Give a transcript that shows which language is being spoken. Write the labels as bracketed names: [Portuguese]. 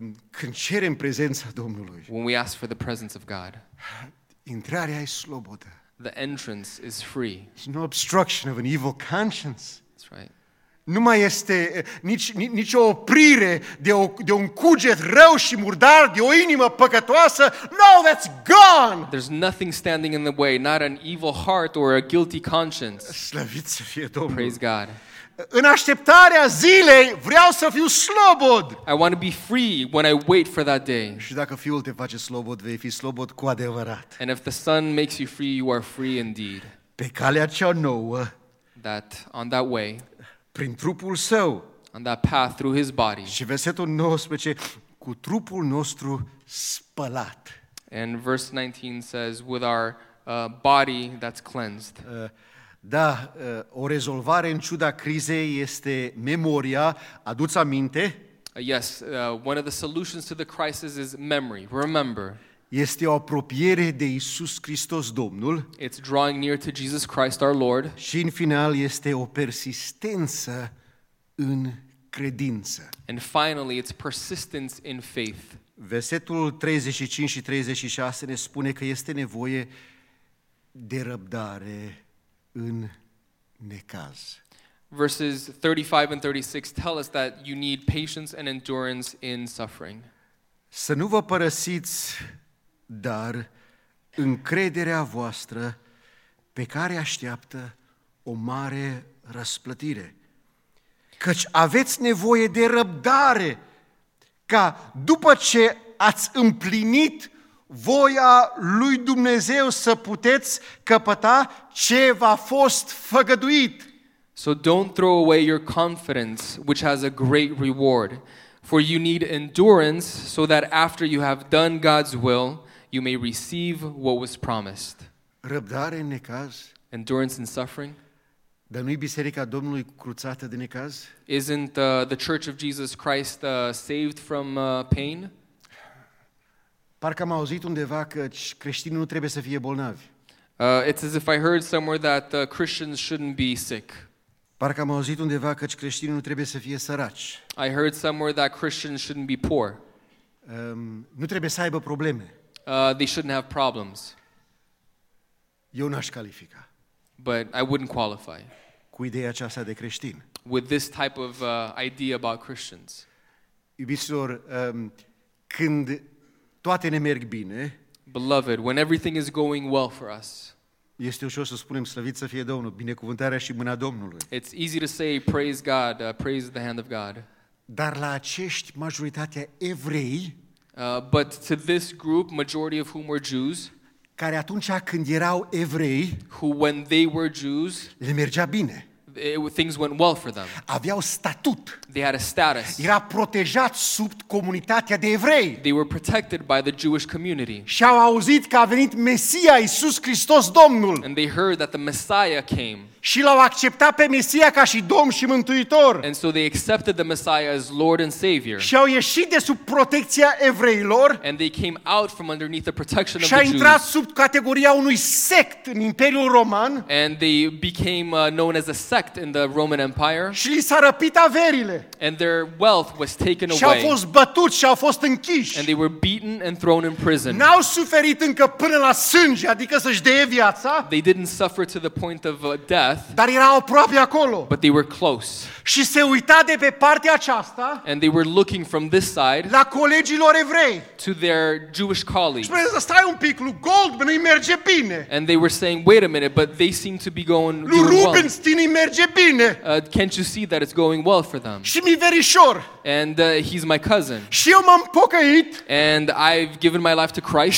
[Romanian] când cerem prezența Domnului, [English] when we ask for the presence of God, [Romanian] intrarea e slobodă. [English] The entrance is free. There's no obstruction of an evil conscience. That's right. [Romanian] Nu mai este nicio oprire de un cuget rău și murdar, de o inimă păcătoasă. [English] No, that's gone! There's nothing standing in the way, not an evil heart or a guilty conscience. [Romanian] Slăvit să fie Domnul! [English] Praise God! [Romanian] În așteptarea zilei vreau să fiu slobod. [English] I want to be free when I wait for that day. [Romanian] Și dacă Fiul te face slobod, vei fi slobod cu adevărat. [English] And if the Son makes you free, you are free indeed. [Romanian] Pe calea cea nouă. [English] That on that way. [Romanian] Prin trupul său. [English] On that path through his body. [Romanian] Și versetul 19, cu trupul nostru spălat. [English] And verse 19 says with our body that's cleansed. [Romanian] Da, o rezolvare în ciuda crizei este memoria, adu-ți aminte. [English] Yes, one of the solutions to the crisis is memory, remember. [Romanian] Este o apropiere de Iisus Hristos Domnul. [English] It's drawing near to Jesus Christ our Lord. [Romanian] Și în final este o persistență în credință. [English] And finally, it's persistence in faith. [Romanian] Versetul 35 și 36 ne spune că este nevoie de răbdare în necaz. [English] Verses 35 and 36 tell us that you need patience and endurance in suffering. [Romanian] Să nu vă părăsiți, dar încrederea voastră pe care așteaptă o mare răsplătire. Căci aveți nevoie de răbdare ca după ce ați împlinit voia lui Dumnezeu să puteți căpăta ce v-a fost făgăduit. [English] So don't throw away your confidence, which has a great reward, for you need endurance so that after you have done God's will, you may receive what was promised. [Romanian] Răbdare în necaz. [English] Endurance in suffering. [Romanian] Dar nu-i biserica Domnului cruțată de necaz? [English] Isn't the Church of Jesus Christ saved from pain? [Romanian] Parcă am auzit undeva că creștinii nu trebuie să fie bolnavi. [English] It's as if I heard somewhere that Christians shouldn't be sick. [Romanian] Parcă am auzit undeva că creștinii nu trebuie să fie săraci. [English] I heard somewhere that Christians shouldn't be poor. [Romanian] Nu trebuie să aibă probleme. [English] They shouldn't have problems. [Romanian] Eu n-aș califica. [English] But I wouldn't qualify. [Romanian] Cu ideea aceasta de creștin. [English] With this type of idea about Christians. [Romanian] Iubiților, când toate ne merg bine. [English] Beloved, when everything is going well for us. [Romanian] Este ușor să spunem slăvit să fie Domnul, binecuvântarea și mâna Domnului. [English] It's easy to say praise God, praise the hand of God. [Romanian] Dar la acești majoritatea evrei, [English] but to this group, majority of whom were Jews, [Romanian] care atunci când erau evrei, [English] who when they were Jews, [Romanian] le mergea bine. [English] Things went well for them. [Romanian] Aveau statut. [English] They had a status. [Romanian] Era protejat sub comunitatea de evrei. [English] They were protected by the Jewish community. [Romanian] Și au auzit că a venit Mesia, Iisus Hristos Domnul. [English] And they heard that the Messiah came. [Romanian] Și l-au acceptat pe Mesia ca și Domn și Mântuitor. [English] And so they accepted the Messiah as Lord and Savior. [Romanian] Și au ieșit de sub protecția evreilor. [English] And they came out from underneath the protection of the Jews. [Romanian] Și a intrat sub categoria unui sect în Imperiul Roman. [English] And they became known as a sect in the Roman Empire. [Romanian] Și li s-a răpit averile. [English] And their wealth was taken away. [Romanian] Și au fost bătuți și au fost închiși. [English] And they were beaten and thrown in prison. [Romanian] N-au suferit încă până la sânge, adică să-și deie viața. [English] They didn't suffer to the point of death. [Romanian] Dar erau aproape acolo. [English] But they were close. [Romanian] Și se uita de pe partea aceasta. [English] And they were looking from this side. [Romanian] La colegilor evrei. [English] To their Jewish colleagues. [Romanian] Și spunea, stai un pic, lui Goldman îi merge bine. [English] And they were saying, wait a minute, but they seem to be going well. [Romanian] Lui Rubenstein îi merge bine. [English] Can't you see that it's going well for them? [Romanian] Și mi-e verișor. [English] And he's my cousin. [Romanian] Și eu m-am pocăit. [English] And I've given my life to Christ.